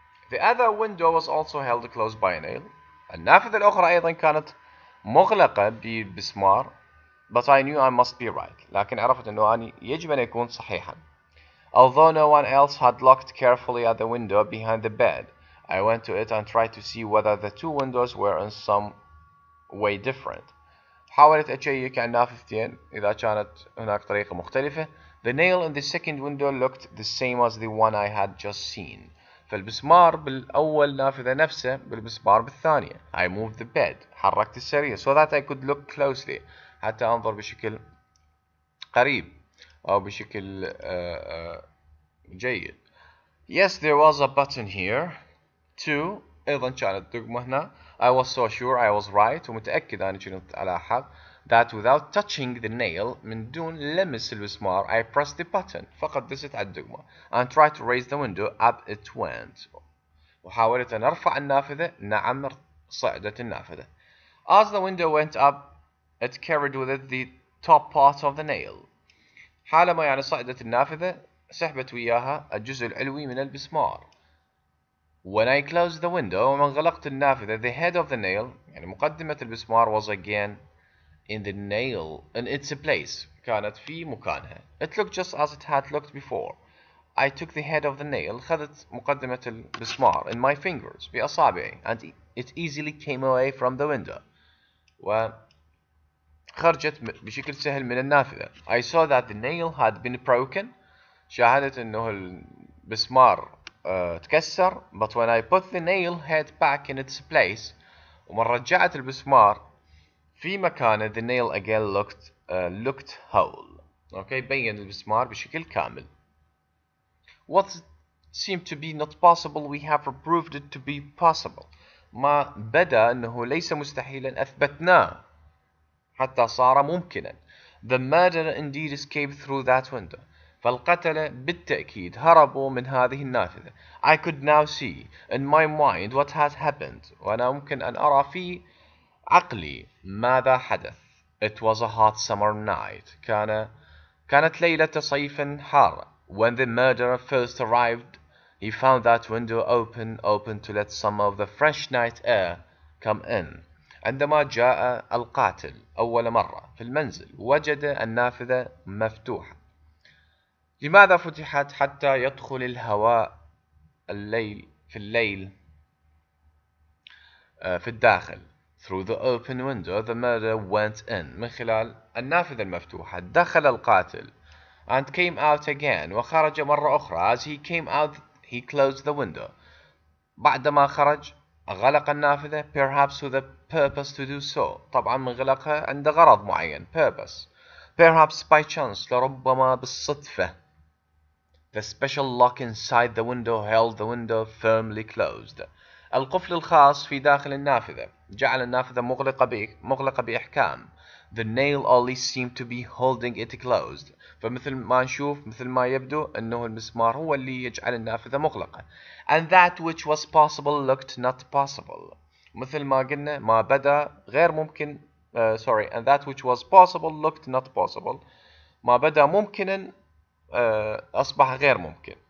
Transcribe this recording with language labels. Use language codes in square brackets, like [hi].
[en] The other window was also held closed by a nail. [ar] النافذة الأخرى أيضا كانت مغلقة بمسمار. [en] But I knew I must be right. [ar] لكن عرفت أنه أنا يجب أن أكون صحيحاً. [en] Although no one else had looked carefully at the window behind the bed, I went to it and tried to see whether the two windows were in some way different. [ar] حاولت أشيك على النافذتين إذا كانت هناك طريقة مختلفة. [en] The nail in the second window looked the same as the one I had just seen. [ar] فالمسمار بالأول نافذة نفسه بالمسمار بالثانية. [en] I moved the bed. [ar] حركت السرير [en] so that I could look closely. [ar] حتى أنظر بشكل قريب أو بشكل جيد. [en] Yes, there was a button here too. [ar] أيضا كانت دقمة هنا. [en] I was so sure I was right. [ar] ومتأكد أني كنت على حق. [en] That without touching the nail, [ar] من دون لمس المسمار, [en] I pressed the button. [ar] فقط دست على الدقمة. [en] And tried to raise the window. Up it went. [ar] وحاولت أن أرفع النافذة. نعم صعدت النافذة. [en] As the window went up, it carried with it the top part of the nail. [ar] حالما يعني صعدت النافذة سحبت وياها الجزء العلوي من المسمار. [en] When I closed the window, [ar] ومن غلقت النافذة, [en] the head of the nail, [ar] يعني مقدمة المسمار, [en] was again in the nail, in its place. [ar] كانت في مكانها. [en] It looked just as it had looked before. I took the head of the nail, [ar] خذت مقدمة المسمار, [en] in my fingers, [ar] بأصابعي, [en] and it easily came away from the window. [ar] خرجت بشكل سهل من النافذة. [en] I saw that the nail had been broken. [ar] شاهدت انه المسمار [en] تكسر, but when I put the nail head back in its place, [ar] ومن رجعت البسمار في مكانه, [en] the nail again looked whole. [ar] Okay, بين البسمار بشكل كامل. [en] What seemed to be not possible, we have proved it to be possible. [ar] ما بدا أنه ليس مستحيلا أثبتناه حتى صار ممكنا. [en] The murderer indeed escaped through that window. [ar] فالقتلة بالتأكيد هربوا من هذه النافذة. [en] I could now see in my mind what had happened. [ar] وأنا ممكن أن أرى في عقلي ماذا حدث. [en] It was a hot summer night. [ar] كانت ليلة صيف حارة. [en] When the murderer first arrived, he found that window open to let some of the fresh night air come in. [ar] عندما جاء القاتل أول مرة في المنزل وجد النافذة مفتوحة. لماذا فتحت؟ حتى يدخل الهواء الليل في الليل في الداخل. [en] Through the open window, the murderer went in. [ar] من خلال النافذة المفتوحة دخل القاتل. [en] And came out again. [ar] وخرج مرة أخرى. [en] As he came out, he closed the window. [ar] بعدما خرج غلق النافذة. [en] Perhaps with a purpose to do so. [ar] طبعا من غلقها عند غرض معين. [en] Purpose. Perhaps by chance. [ar] لربما بالصدفة. [en] The special lock inside the window held the window firmly closed. [ar] القفل الخاص في داخل النافذة جعل النافذة مغلقة بإحكام. [en] The nail only seemed to be holding it closed. [ar] فمثل ما نشوف مثل ما يبدو أنه المسمار هو اللي يجعل النافذة مغلقة. [en] And that which was possible looked not possible. [ar] مثل ما قلنا ما بدا غير ممكن. [en] And that which was possible looked not possible. [ar] ما بدا ممكنا أصبح غير ممكن.